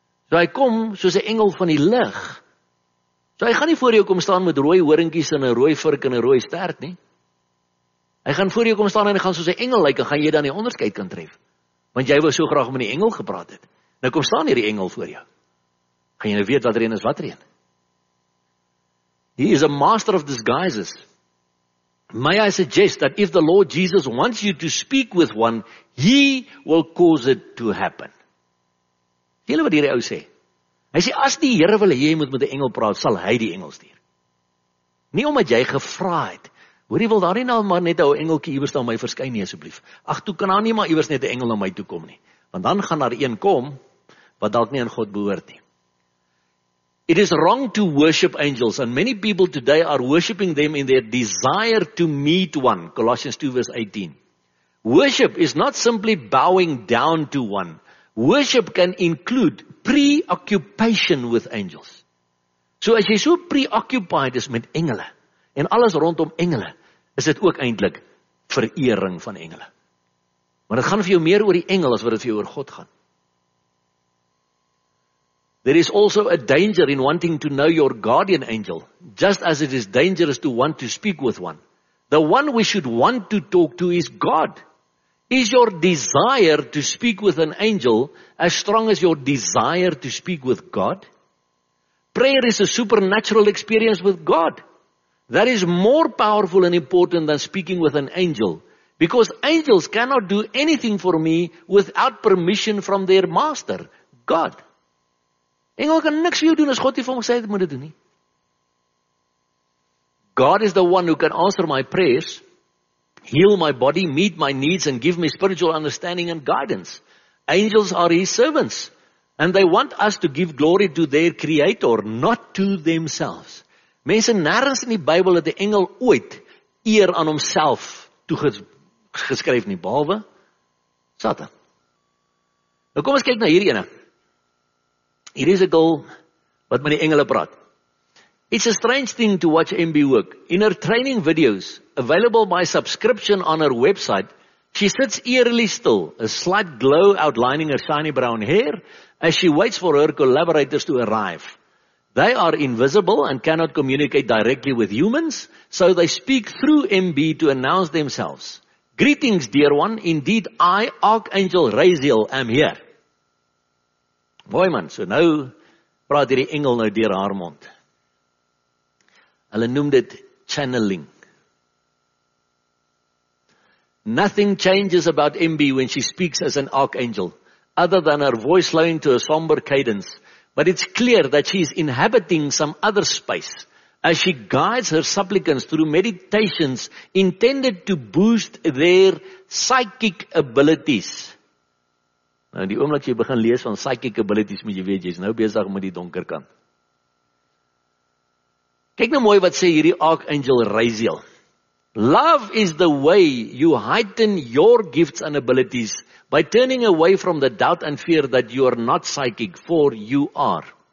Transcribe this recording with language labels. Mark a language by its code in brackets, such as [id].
[af] So hy kom soos 'n engel van die lig. So hy gaan nie voor jou kom staan met rooi horingkies en 'n rooi vurk en 'n rooi stert nie. Hy gaan voor jou kom staan en hy gaan soos 'n engel lyk, en gaan jy dan die onderskeid kan tref. Want jy wou so graag met die engel gepraat het. Nou kom staan hier die engel voor jou. Gaan jy nou weet wat een is wat een? [en] He is a master of disguises. May I suggest that if the Lord Jesus wants you to speak with one, he will cause it to happen. [af] Sien wat hierdie ou sê? Hy sê, as die Here wil hê jy moet met 'n engel praat, sal hy die engel stuur. Nie omdat jy gevra het. Hoorie, wil daar nie nou maar net 'n engeltjie iewers aan my verskyn nie asseblief. Ag, toe kan daar nie maar iewers net 'n engel na my toe kom nie. Want dan gaan daar een kom wat dalk nie aan God behoort nie. [en] It is wrong to worship angels and many people today are worshiping them in their desire to meet one. Colossians 2 verse 18. Worship is not simply bowing down to one. Worship can include preoccupation with angels. [af] So as jy so preoccupied is met engele en alles rondom engele, is dit ook eintlik verering van engele. Maar dit gaan vir jou meer oor die engel as wat dit vir jou oor God gaan. [en] There is also a danger in wanting to know your guardian angel, just as it is dangerous to want to speak with one. The one we should want to talk to is God. Is your desire to speak with an angel as strong as your desire to speak with God? Prayer is a supernatural experience with God. That is more powerful and important than speaking with an angel, because angels cannot do anything for me without permission from their master, God. [af] Engel kan niks vir jou doen as God nie vir hom gesê het, moet dit doen nie. [en] God is the one who can answer my prayers, heal my body, meet my needs and give me spiritual understanding and guidance. Angels are his servants and they want us to give glory to their creator, not to themselves. [af] Mense, nêrens in die Bybel het 'n engel ooit eer aan homself toegeskryf nie, behalwe Satan. Nou kom ons kyk na hierdie ene. Hier is 'n girl wat met die engele praat. [en] It's a strange thing to watch MB work. In her training videos, available by subscription on her website, she sits eerily still, a slight glow outlining her shiny brown hair as she waits for her collaborators to arrive. They are invisible and cannot communicate directly with humans, so they speak through MB to announce themselves. Greetings, dear one. Indeed, I, Archangel Raziel, am here. [af] Mooi man, so nou praat hierdie engel nou deur haar mond. Hulle noem dit channeling. [en] Nothing changes about MB when she speaks as an archangel, other than her voice slowing to a somber cadence. But it's clear that she is inhabiting some other space as she guides her supplicants through meditations intended to boost their psychic abilities. [af] Nou die oomblik jy begin lees van psychic abilities, moet jy weet, jy's nou besig met die donker kant. Kyk nou mooi wat sê hierdie Archangel Raziel. [en] Love is the way you heighten your gifts and abilities by turning away from the doubt and fear that you are not psychic, for you are.